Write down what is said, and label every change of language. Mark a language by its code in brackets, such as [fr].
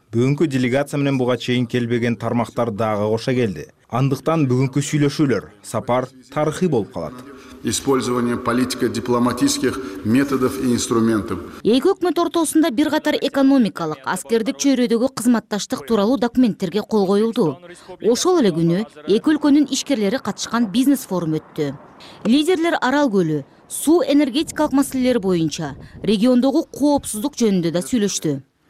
[ky] Бүгүнкү делегация менен буга чейин келбеген тармактар дагы кошо келди. Андыктан бүгүнкү сүйлөшүүлөр, сапар тарыхый болуп калат. [ru] Использование политико-дипломатических методов и инструментов. [ky] Эки өкмөт ортосунда бир катар экономикалык, аскердик чөйрөдөгү кызматташтык тууралуу документтерге кол коюлду. Ошол эле күнү эки өлкөнүн ишкерлери катышкан бизнес-форум өттү. Лидерлер Арал көлү, суу энергетикалык маселелер боюнча, региондогу коопсуздук жөнүндө да сүйлөштү.